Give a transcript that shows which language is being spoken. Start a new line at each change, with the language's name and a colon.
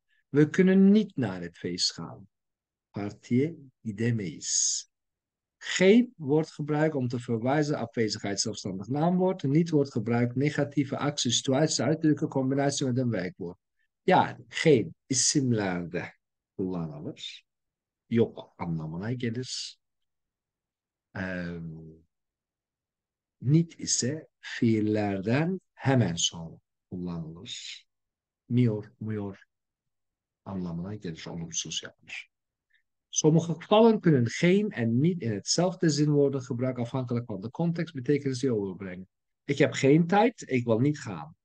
Dutch: We kunnen niet naar het feest gaan.
Turkish: Partiye gidemeyiz.
Dutch: Geen wordt gebruikt om te verwijzen afwezigheid zelfstandig naamwoord. Niet wordt gebruikt negatieve actie, situatie, uitdrukken, combinatie met een werkwoord.
Turkish: Yani geen isimlerde kullanılır. Yok anlamına gelir. Niet ise fiillerden hemen sonra kullanılır. Mior anlamına gelir. Olumsuz yapmış.
Dutch: Sommige gevallen kunnen geen en niet in hetzelfde zin worden gebruikt afhankelijk van de context betekenisi overbrengen. Ik heb geen tijd, ik wil niet gaan.